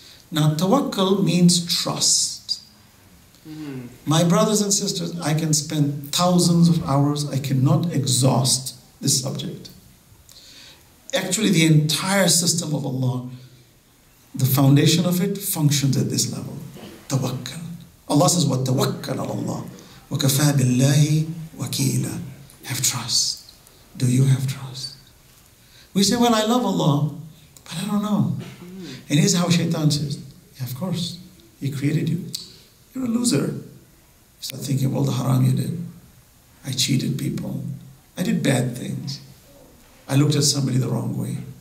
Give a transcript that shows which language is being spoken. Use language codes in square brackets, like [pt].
[en] Now, tawakkal means trust. My brothers and sisters, I can spend thousands of hours. I cannot exhaust this subject. Actually, the entire system of Allah, the foundation of it, functions at this level. Tawakkal. Allah says, [ar] وَتَوَكَّلَ عَلَى اللَّهِ وَكَفَى بِاللَّهِ وَكِيلًا. [en] Have trust. Do you have trust? We say, well, I love Allah, but I don't know. And here's how Shaitan says, yeah, of course, He created you. You're a loser. Start thinking of all the haram you did. I cheated people. I did bad things. I looked at somebody the wrong way.